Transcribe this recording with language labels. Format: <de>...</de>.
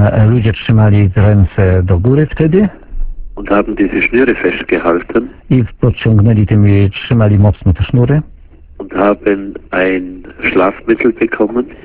<pl>Ludzie trzymali ręce do góry wtedy.</pl> <de>Und haben diese Schnüre festgehalten.</de> <pl>I pociągnęli tymi, trzymali mocno te sznury.</pl> <de>Und haben ein Schlafmittel bekommen.</de>